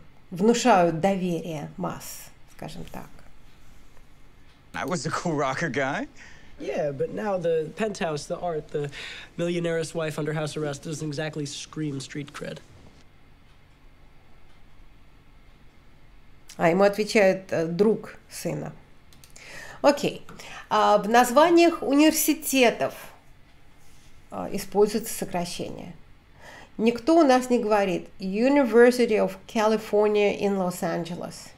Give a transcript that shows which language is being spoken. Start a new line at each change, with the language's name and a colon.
Russian: внушают доверие масс, скажем так.
English: I was a cool rocker guy. Yeah, but now the penthouse, the art, the millionaire's wife under house arrest doesn't exactly scream street cred.
Russian: А ему отвечает друг сына. Окей. В названиях университетов используется сокращение. Никто у нас не говорит University of California in Los Angeles.